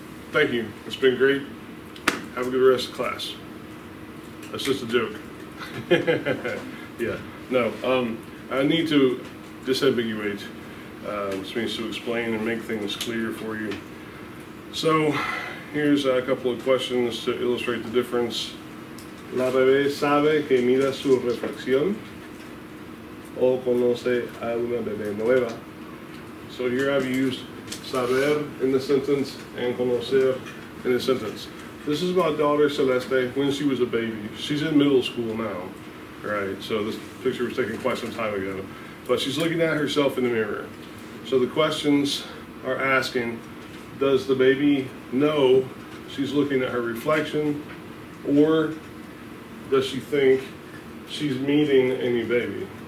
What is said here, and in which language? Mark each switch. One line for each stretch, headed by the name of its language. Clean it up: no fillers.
English: Thank you. It's been great. Have a good rest of class. That's just a joke. I need to disambiguate, which means to explain and make things clear for you. So, here's a couple of questions to illustrate the difference.
Spanish: La bebé sabe que mira su reflexión o conoce a una bebé nueva.
English: So here I've used saber in the sentence and conocer in the sentence. This is my daughter Celeste when she was a baby. She's in middle school now, right? So this picture was taken quite some time ago. But she's looking at herself in the mirror. So the questions are asking, does the baby know she's looking at her reflection, or does she think she's meeting any baby?